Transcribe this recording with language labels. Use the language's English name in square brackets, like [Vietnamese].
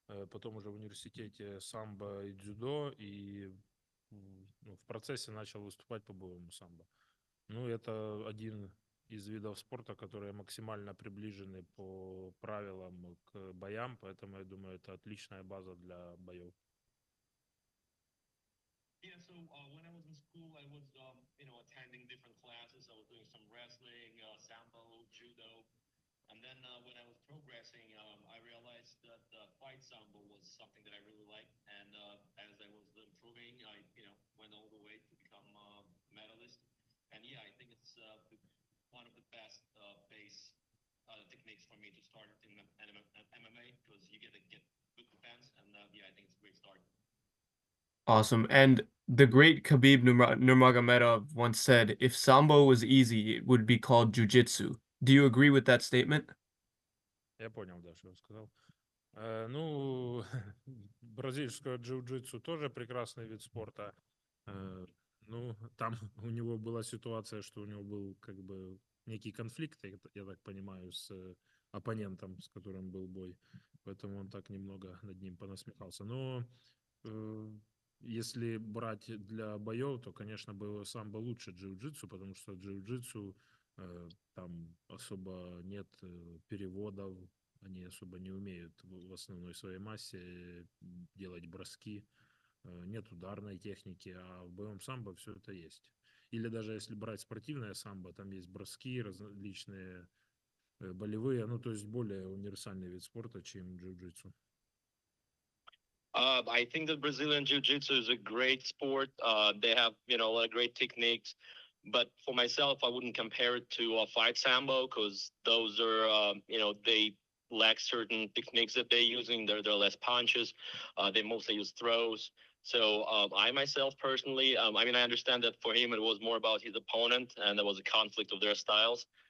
[Russian] Потом уже в университете самбо и дзюдо, и ну, в процессе начал выступать по боевому самбо. Ну, это один из видов спорта, которые максимально приближены по правилам к боям, поэтому я думаю, это отличная база для боев. [English] Yeah, so when I was in school, I was attending different classes. I was doing some wrestling, sambo, judo, and then when I was progressing, I realized that fight sambo was something that I really liked. And as I was improving, I went all the way to become a medalist. And yeah, I think it's one of the best base techniques for me to start in MMA because you get to get good defense, and yeah, I think it's a great start. Awesome. And the great Khabib Nurmagomedov once said, if sambo was easy, it would be called jiu-jitsu. Do you agree with that statement? [Russian] Я понял, да, что он сказал. Ну, бразильское джиу-джитсу тоже прекрасный вид спорта. Ну, там у него была ситуация, что у него был как бы некий конфликт, я так понимаю, с оппонентом, с которым был бой. Поэтому он так немного над ним понасмехался. Но если брать для боев, то, конечно, было самбо лучше джиу-джитсу, потому что джиу-джитсу там особо нет переводов, они особо не умеют в основной своей массе делать броски, нет ударной техники, а в боевом самбо все это есть. Или даже если брать спортивное самбо, там есть броски различные, болевые, ну то есть более универсальный вид спорта, чем джиу-джитсу. [English] I think that Brazilian jiu-jitsu is a great sport. They have, a lot of great techniques. But for myself, I wouldn't compare it to a fight sambo because those are, they lack certain techniques that they're using. They're less punches. They mostly use throws. So I myself personally, I mean, I understand that for him it was more about his opponent and there was a conflict of their styles.